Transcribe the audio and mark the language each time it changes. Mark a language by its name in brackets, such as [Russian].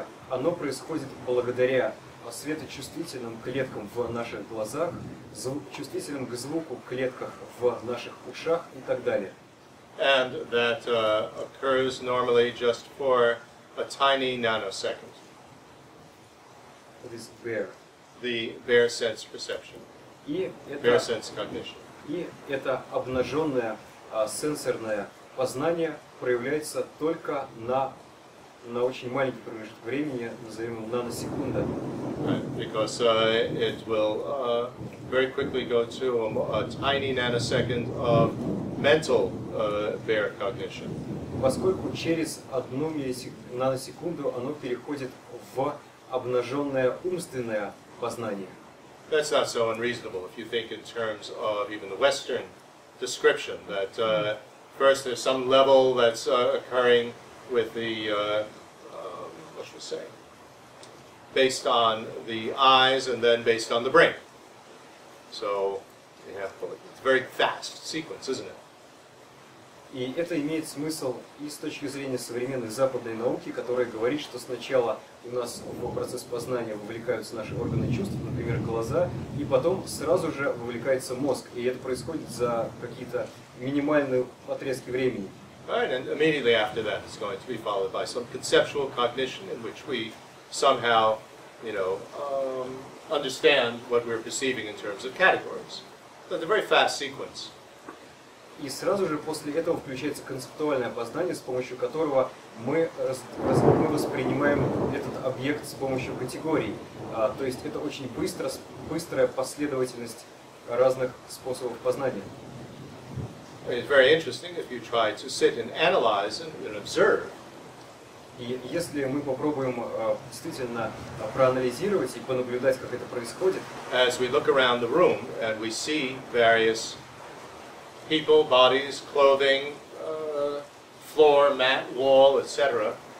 [Russian] Оно происходит благодаря светочувствительным клеткам в наших глазах, чувствительным к звуку клетках в наших ушах и так далее. [English] And that occurs normally just for a tiny nanosecond. It is bare. The bare sense perception. [Russian] И это, [English] bare sense cognition. [Russian] И это обнаженное сенсорное познание проявляется только на очень маленький промежуток времени, назовем его наносекунда. [English] Because it will very quickly go to a tiny nanosecond of mental bare cognition. [Russian] Поскольку через одну наносекунду оно переходит в обнаженное умственное познание. [English] That's not so unreasonable if you think in terms of even the Western description that first there's some level that's occurring with the what should we say? Based on the eyes and then based on the brain. So you have it's a very fast sequence, isn't it? [Russian] И это имеет смысл и с точки зрения современной западной науки, которая говорит, что сначала у нас в процесс познания вовлекаются наши органы чувств, например, глаза, и потом сразу же вовлекается мозг. И это происходит за какие-то минимальные отрезки времени. [English] Right, and immediately after that it's going to be followed by some conceptual cognition in which we somehow, you know, understand what we're perceiving in terms of categories. But it's a very fast sequence. [Russian] И сразу же после этого включается концептуальное познание, с помощью которого мы воспринимаем этот объект с помощью категорий. То есть это очень быстро, быстрая последовательность разных способов познания. [English] It's very interesting if you try to sit and analyze and observe. [Russian] И если мы попробуем действительно проанализировать и понаблюдать, как это происходит, [English] as we look around the room and we see various people, bodies, clothing, floor, mat, wall, etc.